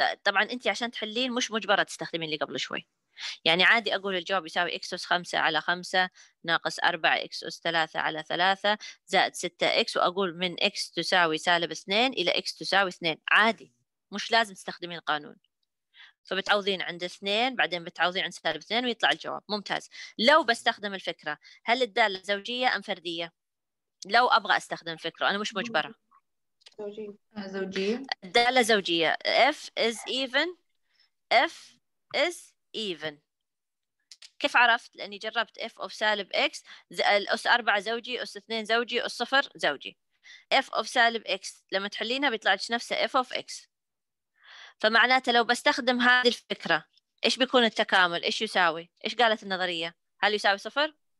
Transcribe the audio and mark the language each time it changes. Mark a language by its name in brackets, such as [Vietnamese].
[Arabic] طبعا أنت عشان تحلين مش مجبرة تستخدمين اللي قبل شوي، يعني عادي أقول الجواب يساوي X أس 5 على 5 ناقص 4 X أس 3 على 3 زائد 6 X، وأقول من X تساوي سالب 2 إلى X تساوي 2، عادي مش لازم تستخدمين القانون. فبتعوضين عند 2 بعدين بتعوضين عند سالب 2 ويطلع الجواب. ممتاز. لو بستخدم الفكرة، هل الدالة زوجية أم فردية؟ لو أبغى أستخدم الفكرة أنا مش مجبرة. زوجية. الدالة زوجية [English] F is even، F is even. [Arabic] كيف عرفت؟ لأني جربت f of سالب x، أس 4 زوجي، أس 2 زوجي، أس 0 زوجي. f of سالب x لما تحلينها بيطلع لك نفسها f of x، فمعناته لو بستخدم هذه الفكرة إيش بيكون التكامل؟ إيش يساوي؟ إيش قالت النظرية؟ هل يساوي صفر؟